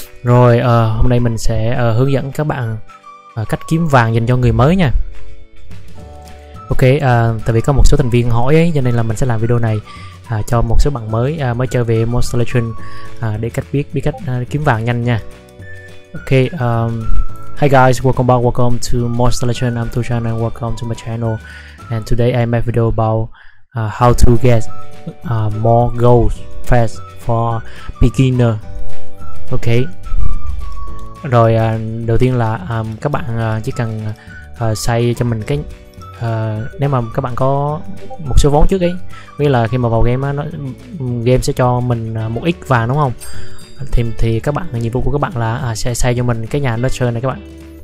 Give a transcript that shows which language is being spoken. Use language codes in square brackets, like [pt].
[vi] Rồi hôm nay mình sẽ hướng dẫn các bạn cách kiếm vàng dành cho người mới nha. Ok, tại vì có một số thành viên hỏi ấy, cho nên là mình sẽ làm video này cho một số bạn mới mới chơi về Monster Legend để cách biết cách kiếm vàng nhanh nha. [en] Ok, hi guys, welcome back, welcome to Monster Legend. I'm Tu Trần and welcome to my channel. And today I make video about how to get more gold fast for beginner. Ok. [vi] Rồi đầu tiên là các bạn chỉ cần xây cho mình cái nếu mà các bạn có một số vốn trước ấy, nghĩa là khi mà vào game nó game sẽ cho mình một ít vàng đúng không? Thì các bạn nhiệm vụ của các bạn là sẽ xây cho mình cái nhà nature này các bạn.